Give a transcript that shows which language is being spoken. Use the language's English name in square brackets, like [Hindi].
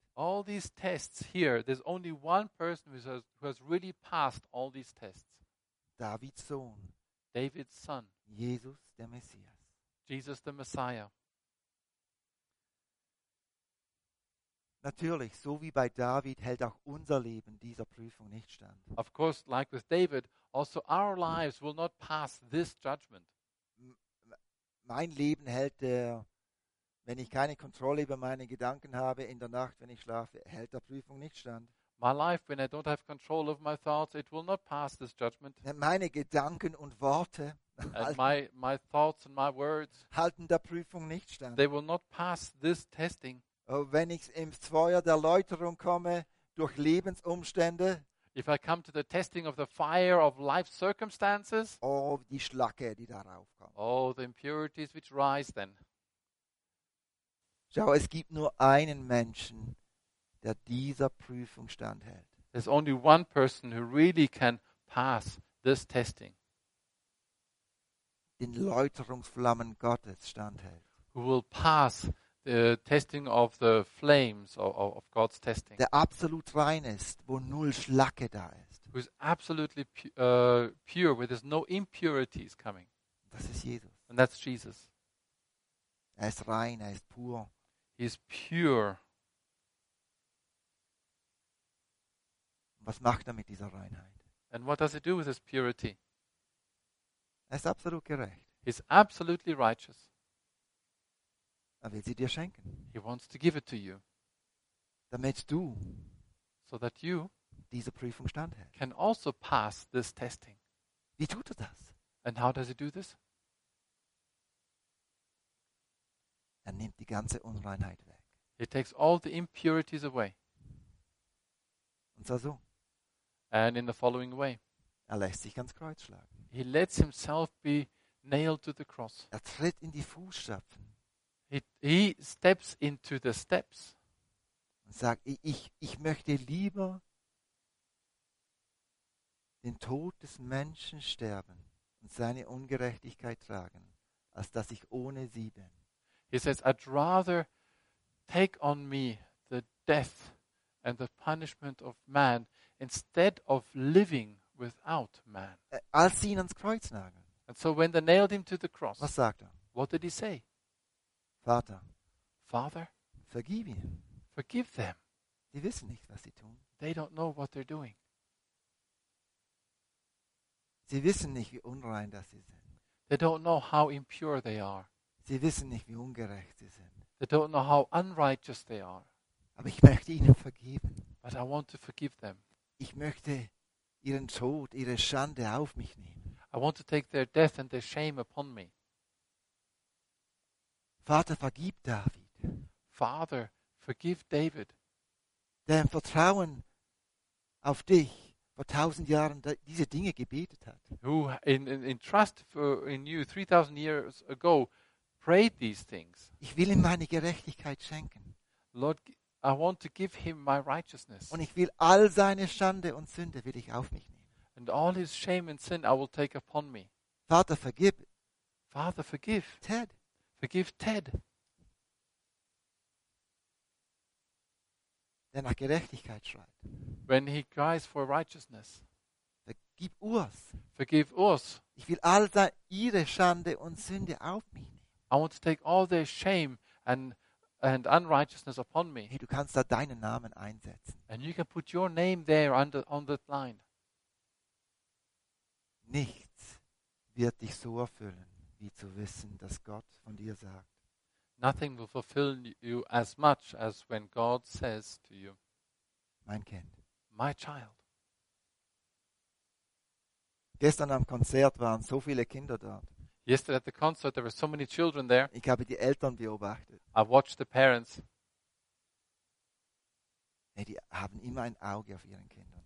[English] All these tests here, there's only one person who has really passed all these tests. [German] David's Sohn. [English] David's son. [German] Jesus, der Messias. [English] Jesus, the Messiah. [German] Natürlich, so wie bei David, hält auch unser Leben dieser Prüfung nicht stand. [English] Of course, like with David, also our lives will not pass this judgment. [German] Mein Leben hält der, wenn ich keine Kontrolle über meine Gedanken habe in der Nacht, wenn ich schlafe, hält der Prüfung nicht stand. [English] My life, when I don't have control of my thoughts, it will not pass this judgment. [German] Meine Gedanken und Worte, [English] and my thoughts and my words, [German] halten der Prüfung nicht stand. [English] They will not pass this testing. [German] Oh, wenn ich ins Feuer der Läuterung komme durch Lebensumstände, [English] if I come to the testing of the fire of life circumstances, [German] oh, die Schlacke, die darauf kommt. [English] Oh, the impurities which rise then. [German] Schau, es gibt nur einen Menschen, der dieser Prüfung standhält. [English] There's only one person who really can pass this testing. [German] Den Läuterungsflammen Gottes standhält. [English] Who will pass the testing of the flames of God's testing. [German] Der absolut rein ist, wo null Schlacke da ist. [English] Who is absolutely pure, where there's no impurities coming. [German] Das ist Jesus. [English] And that's Jesus. [German] Er ist rein, er ist pur. [English] He is pure. [German] Was macht er mit dieser Reinheit? [English] And what does he do with his purity? [German] Er ist absolut gerecht. [English] He is absolutely righteous. [German] Er will sie dir schenken. [English] He wants to give it to you. [German] Damit du, [English] so that you, [German] diese Prüfung standhält. [English] Can also pass this testing. [German] Wie tut er das? [English] And how does he do this? [German] Er nimmt die ganze Unreinheit weg. [English] It takes all the impurities away. [German] Und zwar so. [English] And in the following way. [German] Er lässt sich ans Kreuz schlagen. [English] He lets himself be nailed to the cross. [German] Er tritt in die Fußstapfen. [English] He steps into the steps. [German] Und sagt, ich möchte lieber den Tod des Menschen sterben und seine Ungerechtigkeit tragen, als dass ich ohne sie bin. [English] He says, I'd rather take on me the death and the punishment of man instead of living without man. [German] Als sie ihn ans Kreuz nageln. [English] And so when they nailed him to the cross, [German] was sagt er? [English] What did he say? [German] Vater, [English] Father, [German] vergib ihnen. [English] Forgive them. [German] Sie wissen nicht, was sie tun. [English] They don't know what they're doing. [German] Sie wissen nicht, wie unrein das sie sind. [English] They don't know how impure they are. [German] Sie wissen nicht, wie ungerecht sie sind. [English] They don't know how unrighteous they are. [German] Aber ich möchte ihnen vergeben. [English] But I want to forgive them. [German] Ich möchte ihren Tod, ihre Schande auf mich nehmen. [English] I want to take their death and their shame upon me. [German] Vater, vergib David. [English] Father, forgive David. [German] Der im Vertrauen auf dich vor 1000 Jahren diese Dinge gebetet hat. [English] Who in trust for in you 3000 years ago prayed these things. [German] Ich will ihm meine Gerechtigkeit schenken. [English] Lord, I want to give him my righteousness. [German] Und ich will all seine Schande und Sünde will ich auf mich nehmen. [English] And all his shame and sin I will take upon me. [German] Vater, vergib. [English] Father, forgive. [German] Ted. [English] Forgive Ted. [German] Der nach Gerechtigkeit schreit. [English] When he cries for righteousness. [German] Vergib Urs. [English] Forgive Urs. [German] Ich will all ihre Schande und Sünde auf mich nehmen. [English] I want to take all their shame and unrighteousness upon me. [German] Hey, du kannst da deinen Namen einsetzen. [English] And you can put your name there on that line. [German] Nichts wird dich so erfüllen, wie zu wissen, dass Gott von dir sagt. [English] Nothing will fulfill you as much as when God says to you, [German] mein Kind, [English] my child. [German] Gestern am Konzert waren so viele Kinder dort. [English] Yesterday at the concert there were so many children there. [German] Ich habe die Eltern beobachtet. [English] I watched the parents. [German] Hey, die haben immer ein Auge auf ihren Kindern.